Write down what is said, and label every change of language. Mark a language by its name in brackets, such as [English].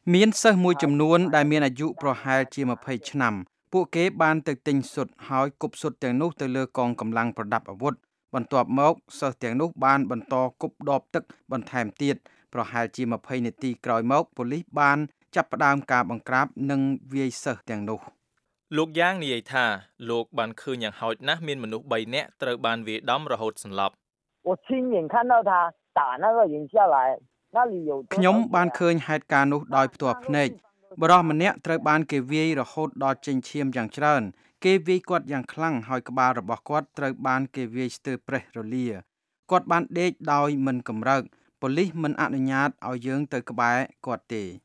[Khmer] មានសិស្សមួយចំនួនដែលមានអាយុប្រហែលជា20ឆ្នាំពួកគេបានទៅទិញសុតហើយគប់សុតទាំងនោះទៅលើកងកម្លាំងប្រដាប់អាវុធបន្ទាប់មកសិស្សទាំងនោះបានបន្តគប់ដបទឹកបន្ថែមទៀតប្រហែលជា20នាទីក្រោយមកប៉ូលីសបានចាប់ផ្ដើមការបង្ក្រាបនិងវាយសិស្សទាំងនោះ លោកយ៉ាងនិយាយថាលោកបានឃើញយ៉ាងហោចណាស់មានមនុស្ស3នាក់ត្រូវបានវាយដំរហូតសន្លប់ [Chinese] 我亲眼看到他打那个人下来那里有 [Khmer] ខ្ញុំបានឃើញហេតុការណ៍នោះដោយផ្ទាល់ភ្នែកបរោះម្នាក់ត្រូវបានគេវាយរហូតដល់ចេញឈាមយ៉ាងច្រើនគេវាយគាត់យ៉ាងខ្លាំងហើយក្បាលរបស់គាត់ត្រូវបានគេវាយស្ទើរប្រេះរលាគាត់បានដេកដោយមិនកម្រើកប៉ូលីសមិនអនុញ្ញាតឲ្យយើងទៅក្បែរគាត់ទេ